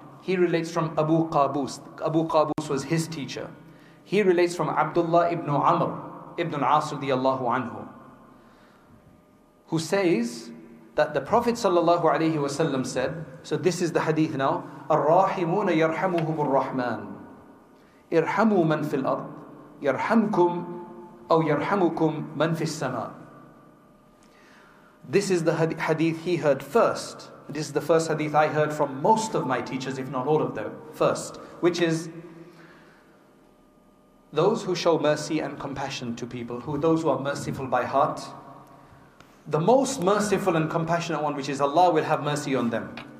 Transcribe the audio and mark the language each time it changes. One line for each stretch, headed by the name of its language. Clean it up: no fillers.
English: He relates from Abu Qabus. Abu Qabus was his teacher. He relates from Abdullah ibn Amr ibn As radiyallahu anhu, who says that the Prophet sallallahu alayhi wa sallam said, so this is the hadith now,
Arabic: Ar-Rahimuna yarhamuhum ar-Rahman. Irhamu man fil ard, yarhamkum أو يرحمكم من في السماء.
English: This is the hadith he heard first. This is the first hadith I heard from most of my teachers, if not all of them, first, which is those who show mercy and compassion to people, those who are merciful by heart, the most merciful and compassionate one, which is Allah, will have mercy on them.